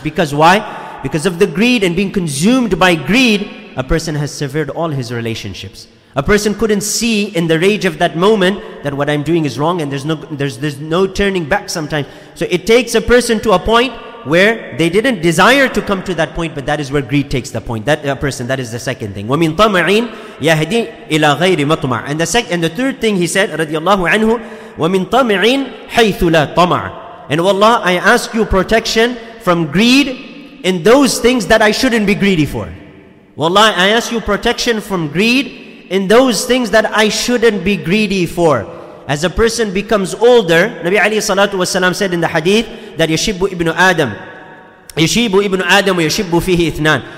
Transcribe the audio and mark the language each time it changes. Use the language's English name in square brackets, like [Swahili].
[English] Because why? Because of the greed and being consumed by greed, a person has severed all his relationships. A person couldn't see in the rage of that moment that what I'm doing is wrong, and there's no turning back sometimes. So it takes a person to a point where they didn't desire to come to that point, but that is where greed takes the point. That person, that is the second thing. [Arabic] وَمِن طَمَعٍ يَهْدِي إِلَى غَيْرِ مَطْمَعٍ. [English] And the third thing he said, [Arabic] رَضِيَ اللَّهُ عَنْهُ, وَمِن طَمِعٍ حَيْثُ لَا طَمَعٍ. [English] And oh Allah, I ask you protection from greed in those things that I shouldn't be greedy for. Wallah, I ask you protection from greed in those things that I shouldn't be greedy for. As a person becomes older, Nabi alayhi salatu wasalam said in the hadith that [Arabic] Yashibu ibn Adam wa yashibu fihi ithnan.